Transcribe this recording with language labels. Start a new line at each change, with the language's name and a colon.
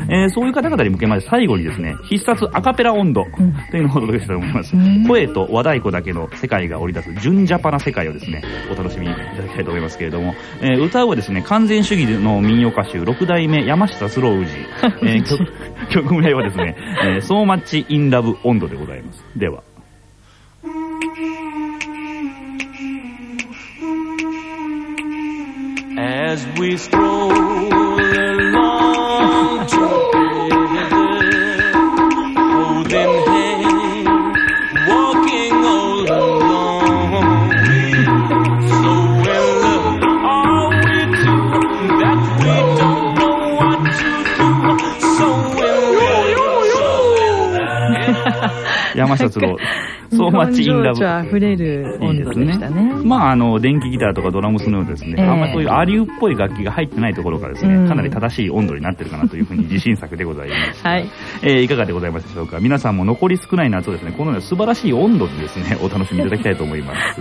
Japanese: そういう方々に向けまして最後にですね必殺アカペラ音頭というのをお届けしたいと思います、うん、声と和太鼓だけの世界が織り出す純ジャパな世界をですねお楽しみいただきたいと思いますけれども、歌うはですね完全主義の民謡歌手6代目山下スロウジ、曲名はですね、So Much In Love 音頭でございます。
English: ではAs we stroll along together, holding hands, walking all alone, so in love are we two, that we don't know what to do, so in love, so in love.
Japanese: 山下つろう。そう、マッチインラブ。情緒溢れる音頭でしたね。まあ、電気ギターとかドラムスのようですね、あんまりこういうアリューっぽい楽器が入ってないところからですね、かなり正しい音頭になってるかなというふうに自信作でございます。はい。いかがでございますでしょうか。皆さんも残り少ない夏をですね、このような素晴らしい音頭でですね、お楽しみいただきたいと思います。